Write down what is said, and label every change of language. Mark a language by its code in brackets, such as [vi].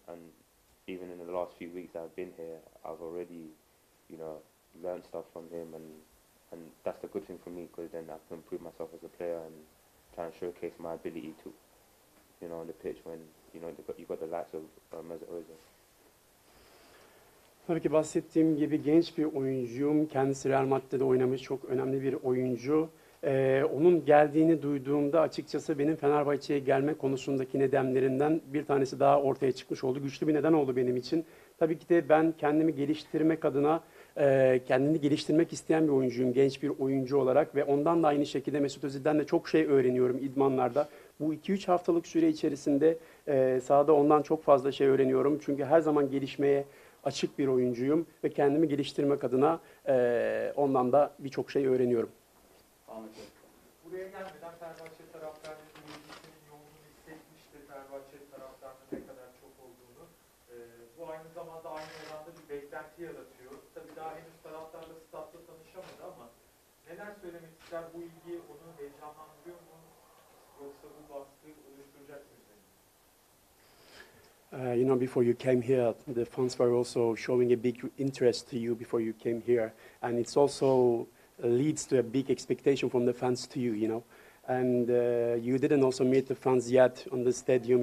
[en] And even in the last few weeks that I've been here, I've already, you know, learned stuff from him and that's the good thing for me, because then I can improve myself as a player and try and showcase my ability to, you know, on the pitch when you know you've got the likes of Mesut Özil. [tr] Tabii ki bahsettiğim gibi genç bir oyuncuyum. Kendisi Real Madrid'de oynamış çok önemli bir oyuncu. Onun geldiğini duyduğumda açıkçası benim Fenerbahçe'ye gelme konusundaki nedenlerimden bir tanesi daha ortaya çıkmış oldu. Güçlü bir neden oldu benim için. Tabii ki de ben kendimi geliştirmek adına kendini geliştirmek isteyen bir oyuncuyum genç bir oyuncu olarak. Ve ondan da aynı şekilde Mesut Özil'den de çok şey öğreniyorum idmanlarda. Bu 2-3 haftalık süre içerisinde sahada ondan çok fazla şey öğreniyorum. Çünkü her zaman gelişmeye açık bir oyuncuyum ve kendimi geliştirmek adına ondan da birçok şey öğreniyorum. Anladım. Buraya gelmeden Fenerbahçe taraftarının ilgisinin yoğunluğunu hissetmiştir. Fenerbahçe taraftarının ne kadar çok olduğunu. Bu aynı zamanda aynı oranda bir beklenti yaratıyor. Tabii daha henüz taraftarla statta tanışamadı ama neler söylemek ister, bu ilgi onu heyecanlandırıyor mu? Yoksa bu baskı oluşturacak mı? [en] You know, before you came here, the fans were also showing a big interest to you before you came here. And it's also leads to a big expectation from the fans to you, you know. And you didn't also meet the fans yet on the stadium.